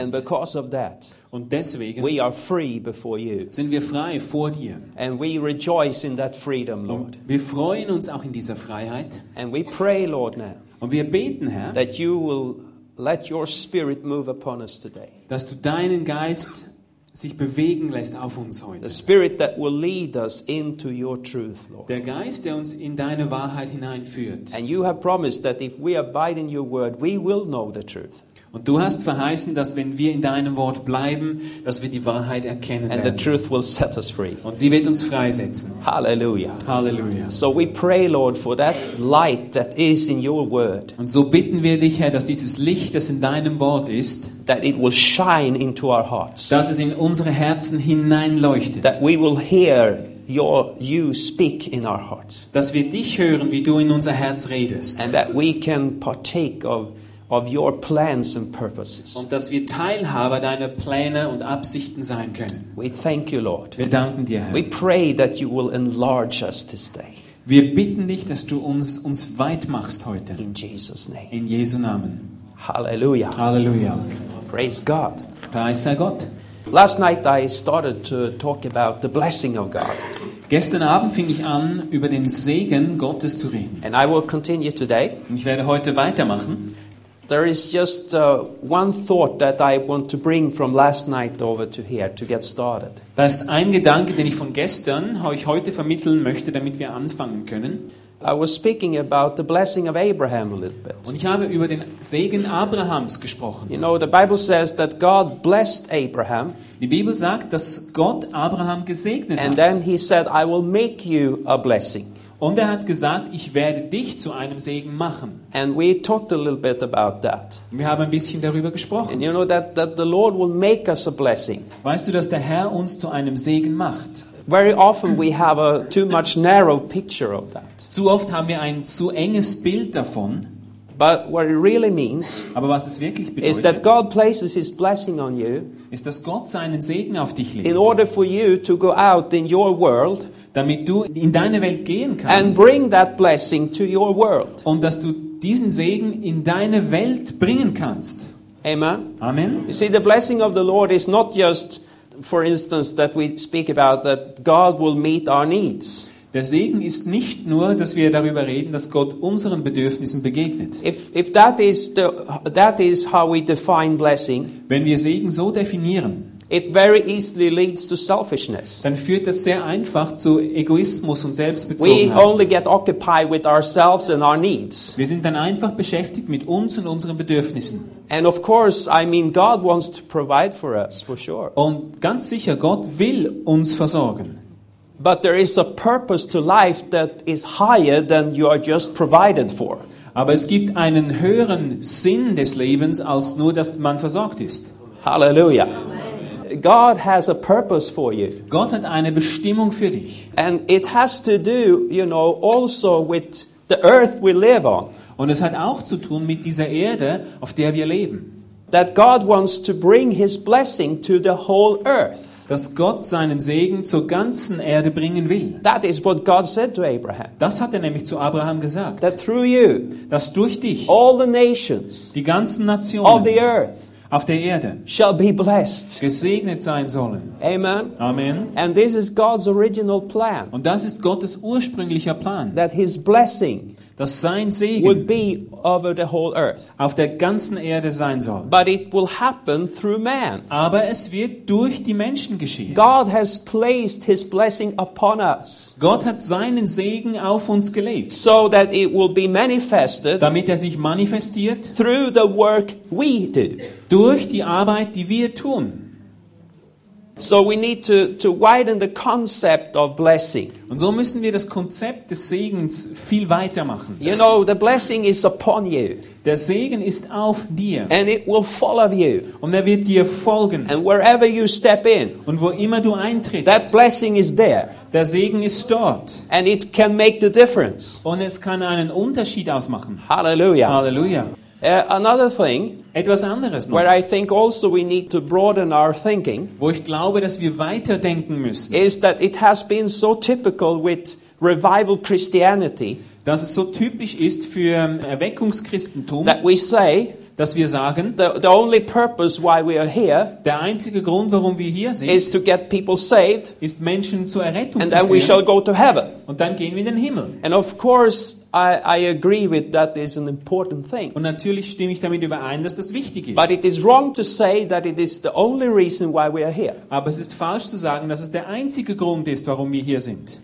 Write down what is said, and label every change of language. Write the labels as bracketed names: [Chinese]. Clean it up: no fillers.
[English] And because of that. [German] Und deswegen [English] we are free before you. [German] Sind wir frei vor dir. [English] And we rejoice in that freedom, Lord. [German] Wir freuen uns auch in dieser Freiheit. [English] And we pray, Lord, now. [German] Und wir beten, Herr, [English] that you will let your spirit move upon us today. [German] Dass du deinen Geist sich bewegen lässt auf uns heute. [English] The spirit that will lead us into your truth, Lord. [German] Der Geist, der uns in deine Wahrheit hineinführt. [English] And you have promised that if we abide in your word, we will know the truth. [German] Und du hast verheißen, dass wenn wir in deinem Wort bleiben, dass wir die Wahrheit erkennen [English] and [German] werden. [English] The truth will set us free. [German] Und sie wird uns freisetzen. [English] Halleluja. [German] Halleluja. [English] So we pray, Lord, for that light that is in your word. [German] Und so bitten wir dich, Herr, dass dieses Licht, das in deinem Wort ist, [English] that it will shine into our hearts. [German] Dass es in unsere Herzen hineinleuchtet. [English] That we will hear you speak in our hearts. [German] Dass wir dich hören, wie du in unser Herz redest. [English] And that we can partake of your plans and purposes. [German] Und dass wir Teilhaber deiner Pläne und Absichten sein können. [English] We thank you, Lord. [German] Wir danken dir, Herr. [English] We pray that you will enlarge us this day. [German] Wir bitten dich, dass du uns weit machst heute. [English] In Jesus' name. [German] In Jesu Namen. [English] Halleluja. [German] Halleluja. [English] Praise God. [German] Preis sei Gott. [English] Last night I started to talk about the blessing of God. [German] Gestern Abend fing ich an, über den Segen Gottes zu reden. [English] And I will continue today. [German] Und ich werde heute weitermachen. [English] There is just one thought that I want to bring from last night over to here to get started. [German] Das ist ein Gedanke, den ich von gestern euch heute vermitteln möchte, damit wir anfangen können. [English] I was speaking about the blessing of Abraham a little bit. [German] Und ich habe über den Segen Abrahams gesprochen. [English] You know, the Bible says that God blessed Abraham. [German] Die Bibel sagt, dass Gott Abraham gesegnet [English] and And then he said, I will make you a blessing. [German] Und er hat gesagt, ich werde dich zu einem Segen machen. [English] And we talked a little bit about that. [German] Wir haben ein bisschen darüber gesprochen. [English] And you know that the Lord will make us a blessing. [German] Weißt du, dass der Herr uns zu einem Segen macht? [English] Very often we have a too much narrow picture of that. [German] Zu oft haben wir ein zu enges Bild davon. [English] But what it really means, [German] aber was es wirklich bedeutet, [English] is that God places His blessing on you, [German] ist, dass Gott seinen Segen auf dich legt. [English] In order for you to go out in your world, [German] damit du in deine Welt gehen kannst, [English] and bring that blessing to your world, [German] und dass du diesen Segen in deine Welt bringen kannst. [English] Amen. [German] Amen. [English] You see, the blessing of the Lord is not just, for instance, that we speak about that God will meet our needs. [German] Der Segen ist nicht nur, dass wir darüber reden, dass Gott unseren Bedürfnissen begegnet. [English] If that is that is how we define blessing, [German] wenn wir Segen so definieren, [English] it very easily leads to selfishness. [German] Dann führt das sehr einfach zu Egoismus und Selbstbezogenheit. [English] We only get occupied with ourselves and our needs. [German] Wir sind dann einfach beschäftigt mit uns und unseren Bedürfnissen. [English] And of course, I mean, God wants to provide for us, for sure. [German] Und ganz sicher, Gott will uns versorgen. [English] But there is a purpose to life that is higher than you are just provided for. [German] Aber es gibt einen höheren Sinn des Lebens als nur, dass man versorgt ist. [English] Hallelujah. God has a purpose for you. [German] Gott hat eine Bestimmung für dich. [English] And it has to do, you know, also with the earth we live on. [German] Und es hat auch zu tun mit dieser Erde, auf der wir leben. [English] That God wants to bring His blessing to the whole earth. [German] Dass Gott seinen Segen zur ganzen Erde bringen will. [English] That is what God said to Abraham. [German] Das hat er nämlich zu Abraham gesagt. [English] That through you, [German] dass durch dich [English] all the nations, [German] die ganzen Nationen [English] of the earth, [German] auf der Erde [English] shall be blessed. [German] Gesegnet sein sollen. [English] Amen. [German] Amen. [English] And this is God's original plan. [German] Und das ist Gottes ursprünglicher Plan. [English] That His blessing, [German] dass sein Segen [English] would be over the whole earth, [German] auf der ganzen Erde sein soll. [English] But it will happen through man. [German] Aber es wird durch die Menschen geschehen. [English] God has placed His blessing upon us. [German] Gott hat seinen Segen auf uns gelegt. [English] So that it will be manifested, [German] damit er sich manifestiert, [English] through the work we do, [German] durch die Arbeit, die wir tun. [English] So we need to widen the concept of blessing. [German] Und so müssen wir das Konzept des Segens viel weiter machen. [English] You know, the blessing is upon you. [German] Der Segen ist auf dir. [English] And it will follow you. [German] Und wird dir folgen. [English] And wherever you step in. [German] Und wo immer du eintrittst. [English] That blessing is there. [German] Der Segen ist dort. [English] And it can make the difference. [German] Und es kann einen Unterschied ausmachen. [English] Hallelujah. [German] Hallelujah. [English] Another thing, [German] etwas anderes noch, [English] where I think also we need to broaden our thinking, [German] wo ich glaube, dass wir weiterdenken müssen, [English] is that it has been so typical with revival Christianity, [German] dass es so typisch ist für Erweckungschristentum, [English] that we say, [German] dass wir sagen, [English] the only purpose why we are here, [German] der einzige Grund, warum wir hier sind, [English] is to get people saved, [German] ist Menschen zur Errettung [English] and [German] zu führen, [English] then we shall go to heaven. [German] Und dann gehen wir in den Himmel. [English] And of course, I agree with that is an important thing. [German] Und natürlich stimme ich damit überein, dass das wichtig ist. [English] But it is wrong to say that it is the only reason why we are here. [German] Aber es ist falsch zu sagen, dass es der einzige Grund ist, warum wir hier sind.